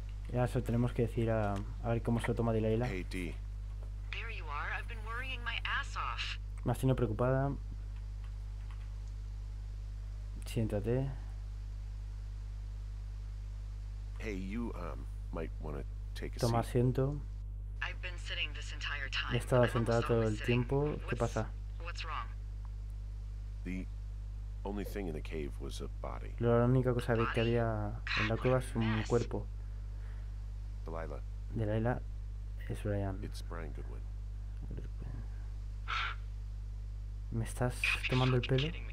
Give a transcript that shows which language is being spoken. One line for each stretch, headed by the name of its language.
Spanish: Ya eso tenemos que decir a ver cómo se lo toma Delilah.
English: Hey, D. There you are. I've been worrying my ass off.
Spanish: Me has tenido preocupada. Siéntate.
English: Hey, you might wanna take a
Spanish: toma
English: seat.
Spanish: Asiento.
English: I've been sitting this entire time.
Spanish: He estado sentada todo el tiempo. ¿Qué pasa?
English: What's wrong? The only thing in the cave was a body.
Spanish: La única cosa que había en la cueva es un cuerpo.
English: Delilah,
Spanish: es Brian.
English: It's Brian Goodwin.
Spanish: ¿Me estás tomando el pelo?